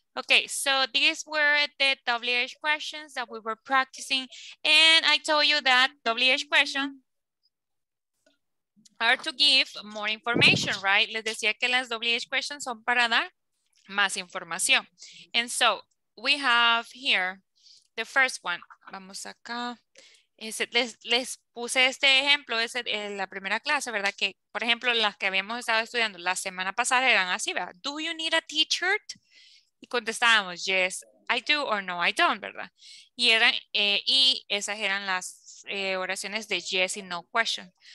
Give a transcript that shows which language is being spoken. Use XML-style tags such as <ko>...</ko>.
<en>Okay, so these were the WH questions that we were practicing. And I told you that WH questions are to give more information, right?</en> <es>Les decía que las WH questions son para dar más información.</es> <en>And so we have here the first one.</en> <es>Vamos acá. Les puse este ejemplo, es la primera clase, ¿verdad? Que, por ejemplo, las que habíamos estado estudiando la semana pasada eran así, ¿verdad?</es> <en>Do you need a teacher?</en> <es>Y contestábamos,</es> <en>yes, I do or no, I don't,</en> <es>¿verdad? Y, y esas eran las oraciones de yes y no question.</es>